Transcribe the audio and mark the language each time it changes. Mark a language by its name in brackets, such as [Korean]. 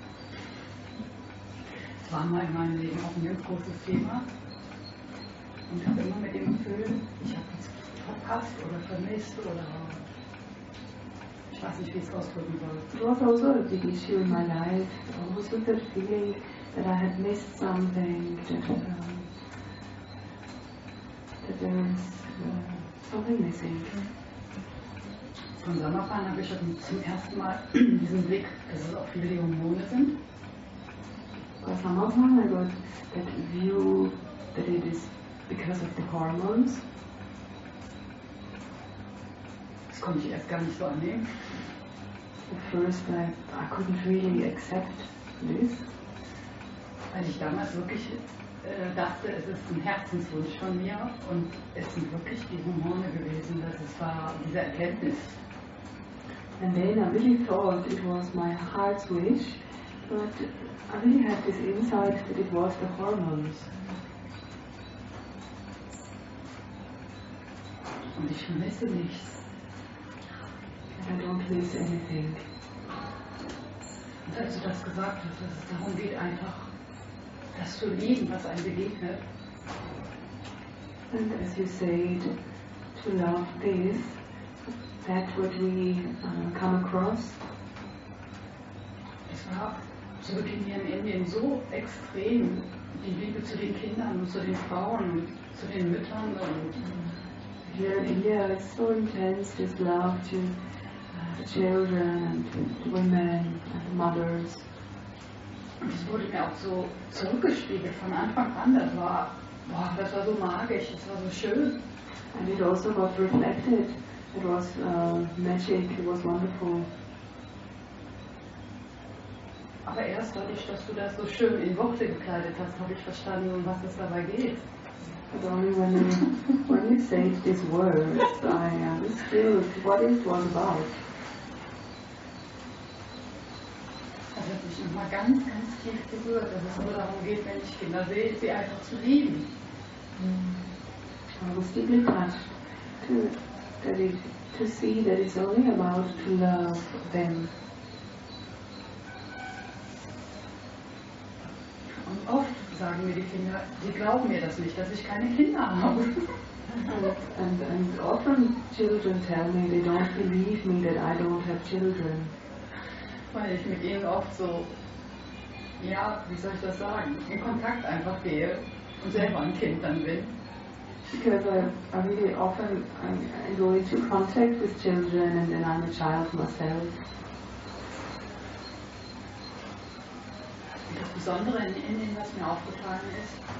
[English] It was in my life a very big topic, and I always had the feeling that I had passed or missed or I don't know how to express it. It was also a big issue in my life. I always had the feeling that I had missed something, that there was something missing. [German] So in Sommerfahren habe ich schon zum ersten Mal diesen Blick, dass es auch viele junge Monde sind. Bei Sommerfahren, [English] I got that view that it is because of the hormones. [German] Das konnte ich erst gar nicht so annehmen. [English] At first I couldn't really accept this. [German] Weil ich damals wirklich dachte, es ist ein Herzenswunsch von mir und es sind wirklich die Hormone gewesen, dass es war diese Erkenntnis. [English] And then I really thought it was my heart's wish, but I really had this insight that it was the hormones. [German] Und ich vermisse nichts. [English] And I don't miss anything. [German] Und als du das gesagt hast, dass es darum geht, einfach das zu lieben, was einem begegnet. [English] And as you said, to love this, that what we come across. [German] Es war zu Beginn hier in Indien so extrem, die Liebe zu den Kindern und zu den Frauen und zu den Müttern. [English] Here in India, it's so intense, this love to the children and the women and the mothers. [German] Und es wurde mir auch so zurückgespiegelt von Anfang an. Das war, boah, das war so magisch, das war so schön. [English] And it also got reflected. It was magic, it was wonderful. [German] Aber erst dadurch, dass du das so schön in Worte gekleidet hast, habe ich verstanden, um was es dabei geht. [English] But only when you say these words, I understood what it was about. [German] Das hat mich nochmal ganz, ganz tief berührt, dass es nur darum geht, wenn ich Kinder sehe, sie einfach zu lieben. [English] I was deeply touched to see that it's only about to love them. [German] sagen mir die Kinder, die glauben mir das nicht, dass ich keine Kinder habe. [English] And often children tell me they don't believe me that I don't have children. [German] Weil ich mit ihnen oft so, ja, wie soll ich das sagen, in Kontakt einfach gehe und selber ein Kind dann bin. [English] Because I really often I go into contact with children and then I'm a child myself. [German] Das Besondere in Indien, was mir aufgefallen ist.